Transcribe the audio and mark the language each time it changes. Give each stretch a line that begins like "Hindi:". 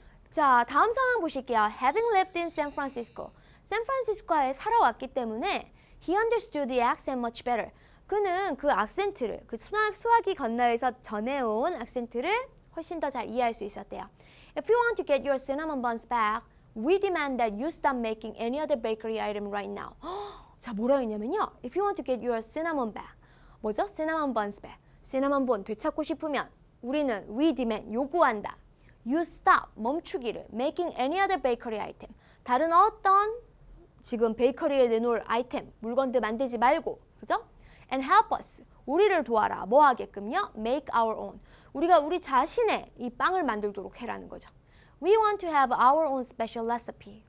Korean: 자, 다음 상황 보실게요.
English: Having lived in San Francisco.
Korean: 샌프란시스코에 살아왔기 때문에
English: he understood the accent much better.
Korean: 그는 그 악센트를, 그 수학이 건너에서 전해온 악센트를 훨씬 더 잘 이해할 수 있었대요.
English: If you want to get your cinnamon buns back, we demand that you stop making any other bakery item right now.
Korean: 자, 뭐라고 했냐면요.
English: If you want to get your cinnamon back.
Korean: 뭐죠?
English: Cinnamon buns back.
Korean: 시나몬 본 되찾고 싶으면 우리는
English: we demand,
Korean: 요구한다.
English: You stop,
Korean: 멈추기를,
English: making any other bakery item.
Korean: 다른 어떤 지금 베이커리에 내놓을 아이템, 물건들 만들지 말고, 그죠?
English: And help us,
Korean: 우리를 도와라, 뭐 하게끔요?
English: Make our own.
Korean: 우리가 우리 자신의 이 빵을 만들도록 해라는 거죠.
English: We want to have our own special recipe.